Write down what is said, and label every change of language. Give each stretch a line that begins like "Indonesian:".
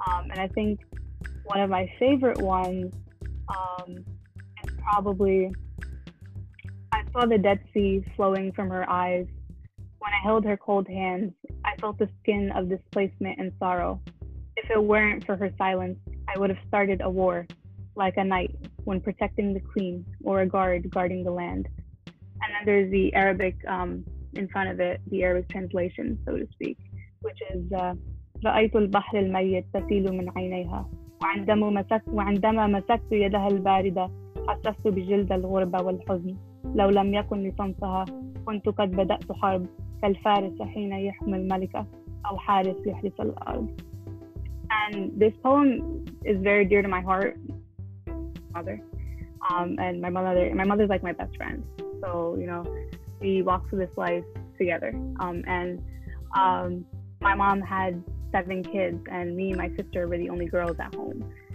English: And I think one of my favorite ones is probably, I saw the Dead Sea flowing from her eyes. When I held her cold hands, I felt the skin of displacement and sorrow. If it weren't for her silence, I would have started a war, like a knight when protecting the queen, or a guard guarding the land. And then there's the Arabic in front of it, the Arabic translation, so to speak, which is
Arabic: رأيت البحر الميت تسيل من عينيها وعندما مسكت يدها الباردة حسست بجلد الغربة والحزن لو لم يكن لصمتها كنت قد بدأت حرب كالفارس حين يحمي الملكة أو حارس يحرس الأرض.
English: And this poem is very dear to my heart, mother. And my mother's like my best friend. So, you know, we walk through this life together. My mom had 7 kids, and me and my sister were the only girls at home.